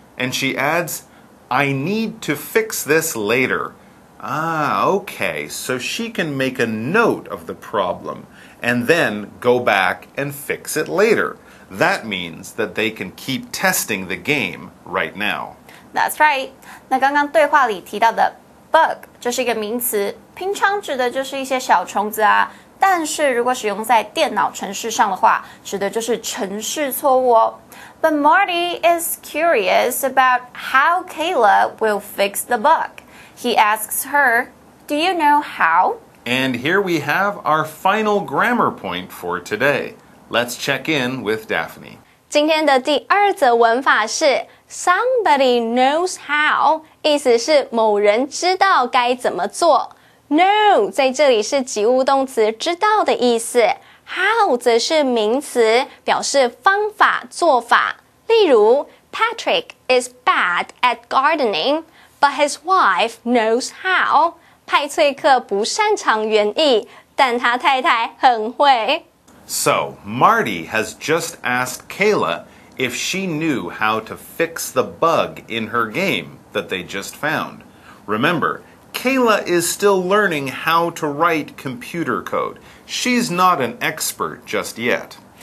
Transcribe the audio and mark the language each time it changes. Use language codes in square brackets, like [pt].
[en] And she adds, I need to fix this later. Ah, okay, so she can make a note of the problem and then go back and fix it later. That means that they can keep testing the game right now. That's right. [zh] 那刚刚对话里提到的 bug 就是一个名词，平常指的就是一些小虫子啊。但是如果使用在电脑程式上的话，指的就是程式错误哦。 [en] But Marty is curious about how Kayla will fix the bug. He asks her, do you know how? And here we have our final grammar point for today. Let's check in with Daphne. [zh] 今天的第二则文法是 [en] somebody knows how, [zh] 意思是某人知道该怎么做。 Know 在这里是及物动词知道的意思。 How 则是名词表示方法做法。例如 [en] Patrick is bad at gardening, but his wife knows how. [zh] 派翠克不擅长园艺，但他太太很会。 [en] So, Marty has just asked Kayla if she knew how to fix the bug in her game that they just found. Remember, Kayla is still learning how to write computer code. She's not an expert just yet.